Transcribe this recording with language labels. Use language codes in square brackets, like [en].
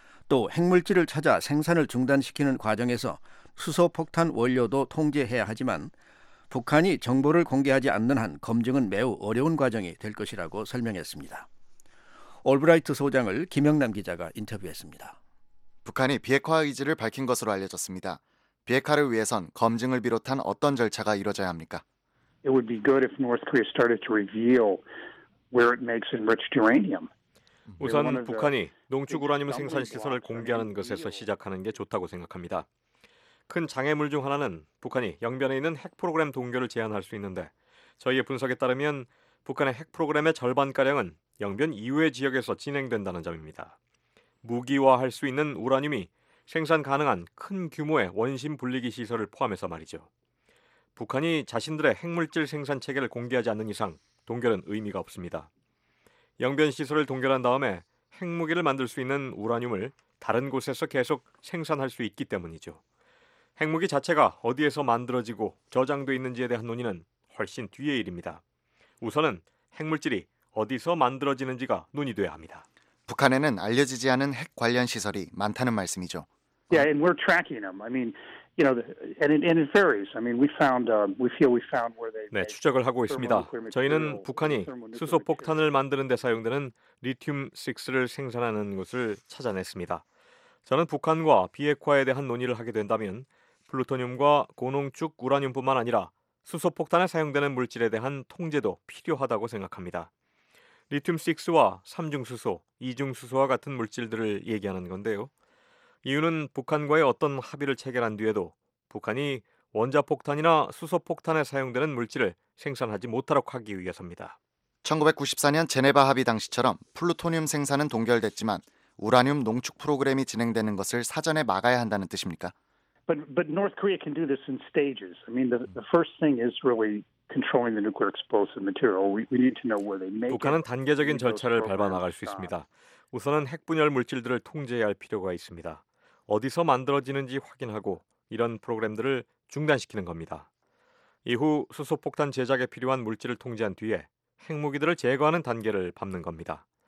[ko] 또 핵물질을 찾아 생산을 중단시키는 과정에서 수소폭탄 원료도 통제해야 하지만 북한이 정보를 공개하지 않는 한 검증은 매우 어려운 과정이 될 것이라고 설명했습니다. 올브라이트 소장을 김영남 기자가 인터뷰했습니다. 북한이 비핵화 의지를 밝힌 것으로 알려졌습니다. 비핵화를 위해선 검증을 비롯한 어떤 절차가 이루어져야 합니까? [en] It would be good if North Korea started to reveal where it makes enriched uranium. [ko] 우선 북한이 농축 우라늄 생산 시설을 공개하는 것에서 시작하는 게 좋다고 생각합니다. 큰 장애물 중 하나는 북한이 영변에 있는 핵 프로그램 동결을 제한할 수 있는데 저희의 분석에 따르면 북한의 핵 프로그램의 절반가량은 영변 이외 지역에서 진행된다는 점입니다. 무기화할 수 있는 우라늄이 생산 가능한 큰 규모의 원심 분리기 시설을 포함해서 말이죠. 북한이 자신들의 핵물질 생산 체계를 공개하지 않는 이상 동결은 의미가 없습니다. 영변 시설을 동결한 다음에 핵무기를 만들 수 있는 우라늄을 다른 곳에서 계속 생산할 수 있기 때문이죠. 핵무기 자체가 어디에서 만들어지고 저장돼 있는지에 대한 논의는 훨씬 뒤의 일입니다. 우선은 핵물질이 어디서 만들어지는지가 논의돼야 합니다. 북한에는 알려지지 않은 핵 관련 시설이 많다는 말씀이죠. [en] Yeah, and we're tracking them. I mean, you know, and it varies. I mean, we feel we found where they. [ko] 네, 추적을 하고 있습니다. 저희는 북한이 수소 폭탄을 만드는 데 사용되는 리튬 6를 생산하는 곳을 찾아냈습니다. 저는 북한과 비핵화에 대한 논의를 하게 된다면 플루토늄과 고농축 우라늄뿐만 아니라 수소 폭탄에 사용되는 물질에 대한 통제도 필요하다고 생각합니다. 리튬6와 삼중수소, 이중수소와 같은 물질들을 얘기하는 건데요. 이유는 북한과의 어떤 합의를 체결한 뒤에도 북한이 원자폭탄이나 수소폭탄에 사용되는 물질을 생산하지 못하도록 하기 위해서입니다. 1994년 제네바 합의 당시처럼 플루토늄 생산은 동결됐지만 우라늄 농축 프로그램이 진행되는 것을 사전에 막아야 한다는 뜻입니까? [en] But North Korea can do this in stages. I mean, the first thing is really controlling the nuclear explosive material. We need to know where they make it. [ko] 북한은 단계적인 절차를 밟아 나갈 수 있습니다. 우선은 핵분열 물질들을 통제해야 할 필요가 있습니다. 어디서 만들어지는지 확인하고 이런 프로그램들을 중단시키는 겁니다. 이후 수소폭탄 제작에 필요한 물질을 통제한 뒤에 핵무기들을 제거하는 단계를 밟는 겁니다.